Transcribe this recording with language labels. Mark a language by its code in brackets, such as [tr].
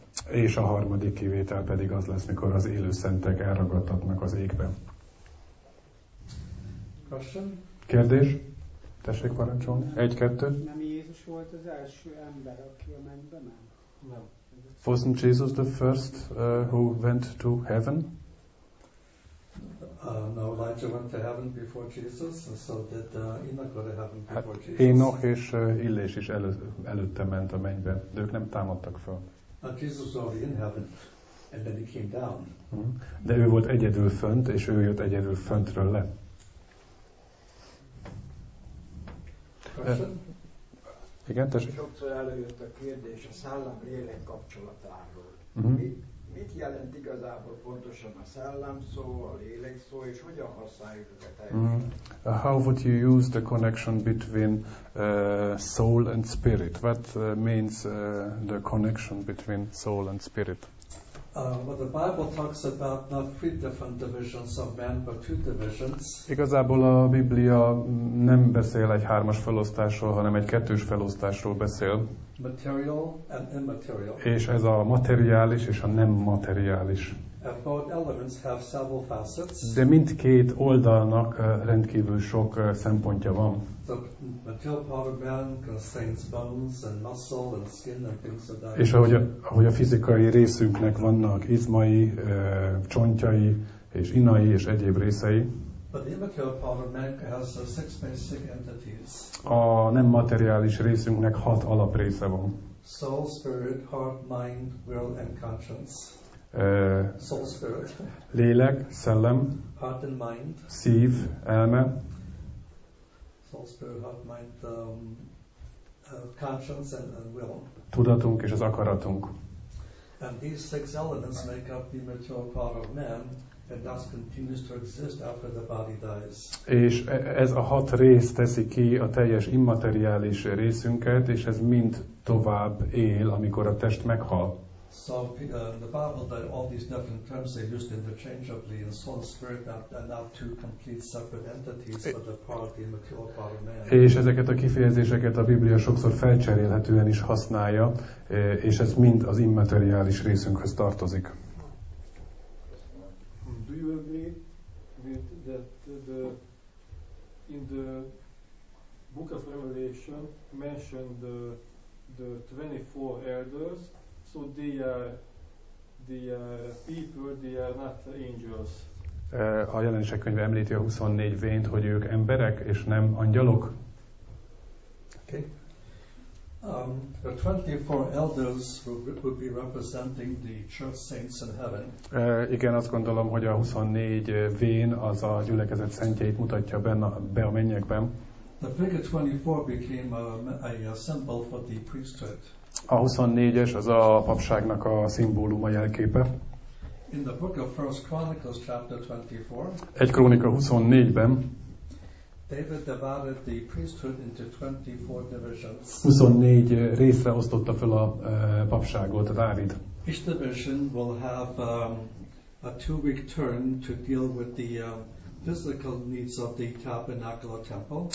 [hu] És a harmadik kivétel pedig az lesz, mikor az élő szentek elragadtatnak az égbe. Kérdés? Tessék parancsolni. 1-2. Nem Jézus volt az első ember, aki a mennybe ment? [en] No. Wasn't Jesus the first who went to heaven? No, Elijah went to heaven before Jesus, so did Enoch go to heaven before Jesus. [hu] Enoch és Illés is előtte ment a mennybe, de ők nem támadtak fel. [en] Jesus was already in heaven, and then he came down. [hu] De ő volt egyedül fönt, és ő jött egyedül föntről le. Igen, sokszor előjött a kérdés a szellem-lélek kapcsolatáról. Uh-huh. Mit jelent igazából pontosan a szellem szó, a lélek szó, és hogyan használjuk ezeket? Uh-huh. [en] How would you use the connection between soul and spirit? What means the connection between soul and spirit? The Bible talks about not three different divisions of man, but two divisions. [hu] Igazából a Biblia nem beszél egy hármas felosztásról, hanem egy kettős felosztásról beszél. [en] Material and immaterial. [hu] És ez a materiális és a nem materiális. [en] And both elements have several facets. [hu] De mindkét oldalnak rendkívül sok szempontja van. [en] The material part of man contains bones and muscle and skin and things of that. [hu] És ahogy a fizikai részünknek vannak izmai, csontjai és inai és egyéb részei. [en] But the immaterial part of man has six basic entities. [hu] A nem materiális részünknek hat alaprésze van. [en] Soul, spirit, heart, mind, will and conscience. Soul, spirit. [hu] Lélek, szellem. [en] Heart and mind. [hu] Szív, elme. [en] Soul, spirit, heart, mind, conscience and will. [hu] Tudatunk és az akaratunk. [en] And these six elements make up the immaterial part of man, and thus continues to exist after the body dies. [hu] És ez a hat rész teszi ki a teljes immateriális részünket, és ez mind tovább él, amikor a test meghal. [en] So the Bible, that all these different terms they used interchangeably in soul and spirit are not two complete separate entities, but the part of the immaterial part of man. [hu] És ezeket a kifejezéseket a Biblia sokszor felcserélhetően is használja, és ez mind az immateriális részünkhöz tartozik. [en] Do you agree with that in the Book of Revelation mentioned the 24 elders? So they are people, they are not angels. [hu] A Jelenések könyve említi a 24 vént, hogy ők emberek és nem angyalok. [en] Okay. The 24 elders would be representing the church saints in heaven. [hu] Igen, azt gondolom, hogy a 24 vén az a gyülekezet szentjeit mutatja be a mennyekben. [en] The figure 24 became a symbol for the priesthood. [hu] A 24-es az a papságnak a szimbóluma jelképe. [en] In the book of 1 Chronicles chapter 24. [hu] Egy Krónika 24-ben. [en] David divided the priesthood into 24 divisions. [hu] 24 részre osztotta fel a papságot Dávid. [en] Each division will have a 2 week turn to deal with the physical needs of the tabernacle temple.